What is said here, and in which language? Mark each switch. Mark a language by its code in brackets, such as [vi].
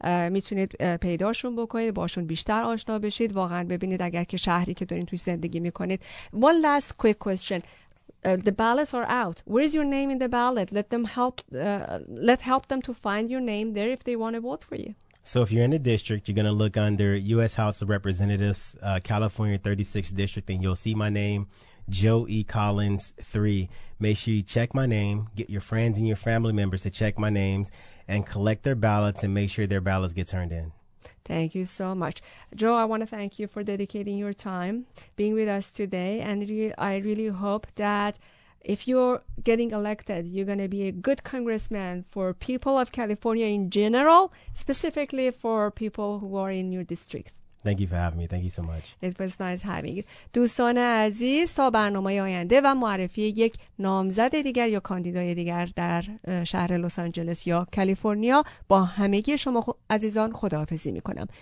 [fa] میتونید پیداشون بکنید، باشون بیشتر آشنا بشید. واقعا ببینید اگر که شهری که دارین توی زندگی میکنید. [en] One last quick question. The ballots are out. Where is your name in the ballot? Let them help them to find your name there if they want to vote for you. So if you're in a district, you're going to look under U.S. House of Representatives, California 36th District, and you'll see my name, Joe E. Collins 3. Make sure you check my name. Get your friends and your family members to check my names and collect their ballots and make sure their ballots get turned in. Thank you so much. Joe, I want to thank you for dedicating your time being with us today. And I really hope that if you're getting elected, you're going to be a good congressman for people of California in general, specifically for people who are in your district. Thank you for having me. Thank you so much. It was nice having you. [fa] دوستان عزیز، تا برنامه آینده و معرفی یک نامزد دیگر یا کاندیدای دیگر در شهر لس آنجلس یا کالیفرنیا، با همگی شما عزیزان خداحافظی میکنم.